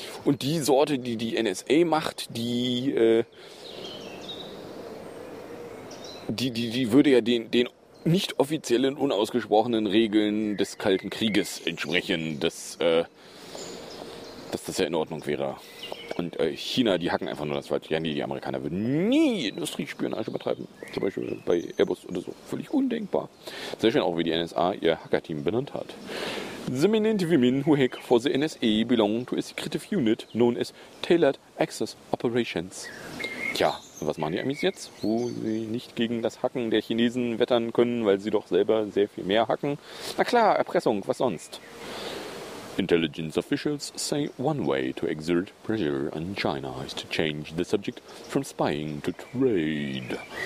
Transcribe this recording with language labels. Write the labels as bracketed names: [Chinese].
[German] Und die Sorte, die die NSA macht, die würde ja den nicht offiziellen, unausgesprochenen Regeln des Kalten Krieges entsprechen, dass das ja in Ordnung wäre. Und China, die hacken einfach nur das Falsche. Ja, nee, die Amerikaner würden nie Industriespionage betreiben. Zum Beispiel bei Airbus oder so. Völlig undenkbar. Sehr schön auch, wie die NSA ihr Hackerteam benannt hat. [English] The men and women who hack for the NSA belong to a secretive unit known as Tailored Access Operations. [German] Tja, was machen die Amis jetzt, wo sie nicht gegen das Hacken der Chinesen wettern können, weil sie doch selber sehr viel mehr hacken? Na klar, Erpressung, was sonst? [English] Intelligence officials say one way to exert pressure on China is to change the subject from spying to trade.